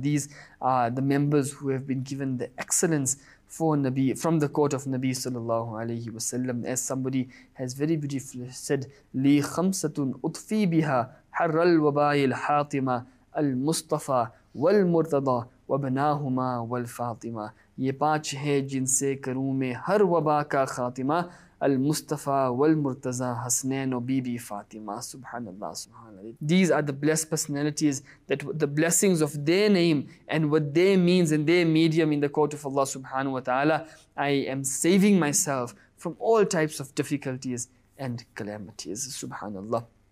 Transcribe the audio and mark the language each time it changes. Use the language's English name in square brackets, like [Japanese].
[English] These are the members who have been given the excellence for Nabi, from the court of Nabi sallallahu alayhi wa sallam. As somebody has very beautifully said, [Arabic] li khamsatun utfi biha حر الوباء الحاطمة المصطفى والمرتضى وبناهما والفاطمة. [Urdu] یہ پانچ ہے جن سے کروں میں ہر وبا کا خاتمہ, المصطفى والمرتضى حسنین و بی بی فاطمہ. [Arabic] سبحان اللہ, سبحان اللہ. [English] These are the blessed personalities, that the blessings of their name and what they means and their medium in the court of Allah subhanahu wa ta'ala, I am saving myself from all types of difficulties and calamities. Subhanallah.